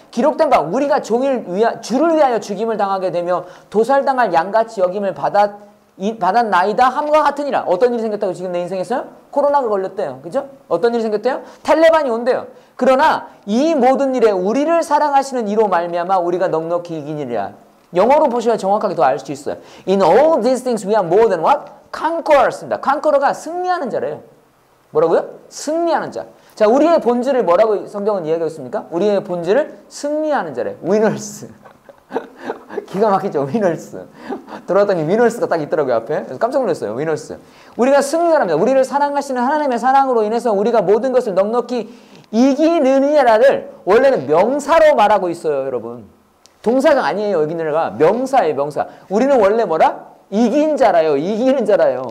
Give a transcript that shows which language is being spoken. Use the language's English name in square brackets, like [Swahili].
[Korean] 기록된 바 우리가 주를 위하여 죽임을 당하게 되며 도살당할 양같이 여김을 받았나이다 함과 같으니라. 어떤 일이 생겼다고 지금 내 인생에서요? 코로나가 걸렸대요. 그죠? 어떤 일이 생겼대요? 탈레반이 온대요. 그러나 이 모든 일에 우리를 사랑하시는 이로 말미암아 우리가 넉넉히 이기니라. 영어로 보셔야 정확하게 더 알 수 있어요. [English] In all these things we are more than what? [Korean] Conquerors입니다. Conqueror가 승리하는 자래요. 뭐라고요? 승리하는 자. 자, 우리의 본질을 뭐라고 성경은 이야기하고 있습니까? 우리의 본질을 승리하는 자래요. Winners. 기가 막히죠. Winners. 들어왔더니 Winners가 딱 있더라고요. 앞에. 그래서 깜짝 놀랐어요. Winners. 우리가 승리하랍니다. 우리를 사랑하시는 하나님의 사랑으로 인해서 우리가 모든 것을 넉넉히 이기느냐를 원래는 명사로 말하고 있어요. 여러분. 동사가 아니에요. 여기 내가 명사예요. 명사. 우리는 원래 뭐라? 이긴 자라요. 이기는 자라요.